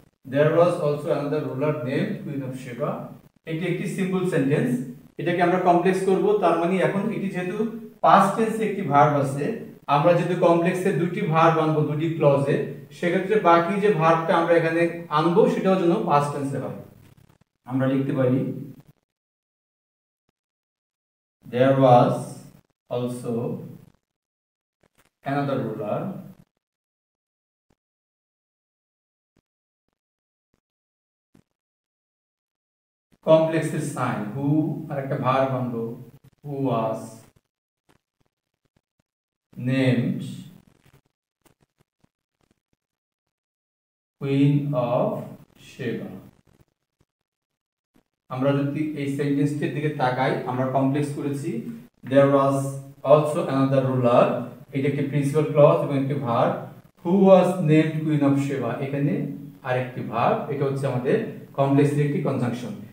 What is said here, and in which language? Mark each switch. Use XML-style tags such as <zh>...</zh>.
<en>there was also another ruler named queen of Sheba,</en> <bn>এটি একটি সিম্পল সেন্টেন্স, এটাকে আমরা কমপ্লেক্স করব। তার মানে এখন এটি যেহেতু পাস্ট টেন্সে একটি ভার্ব আছে, আমরা যেহেতু কমপ্লেক্সে দুটি ভার্ব আনবো দুটি ক্লজে, সেক্ষেত্রে বাকি যে ভার্বটা আমরা এখানে আনবো সেটাও যেন পাস্ট টেন্সে হয়। আমরা লিখতে পারি</bn> <en>There was also another ruler complex sign who</en> <bn>আরেকটা ভার্ব আনবো</bn> <en>who was named queen of Sheba।</en> <bn>আমরা যদি এই সেন্টেন্সটির দিকে তাকাই, আমরা কমপ্লেক্স করেছি</bn> <en>there was also another ruler,</en> <bn>এটা একটি প্রিন্সিপাল ক্লজ এবং একটি verb,</bn> <en>who was named Queen of Sheba</en> <bn>এখানে আর একটি ভার্ব, এটা হচ্ছে আমাদের কমপ্লেক্স একটি কনজাংশন।</bn>